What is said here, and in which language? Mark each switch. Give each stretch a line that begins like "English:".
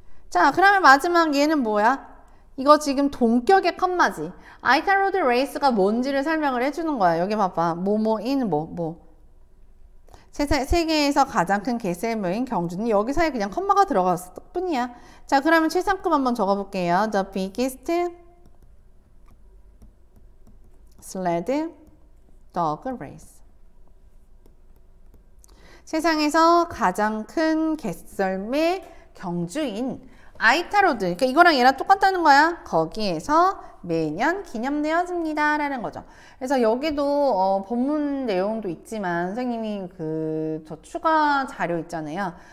Korean: 자, 그러면 마지막 얘는 뭐야? 이거 지금 동격의 컴마지. I tell the race가 뭔지를 설명을 해주는 거야. 여기 봐봐. 뭐뭐인 뭐뭐. 세계에서 가장 큰 개세무인 경주는 여기서에 그냥 컴마가 들어갔을 뿐이야. 자, 그러면 최상급 한번 적어볼게요.
English: The biggest sled dog race.
Korean: 세상에서 가장 큰 개썰매 경주인 아이타로드. 그러니까 이거랑 얘랑 똑같다는 거야. 거기에서 매년 기념되어집니다라는 거죠. 그래서 여기도 본문 내용도 있지만 선생님이 그저 추가 자료 있잖아요.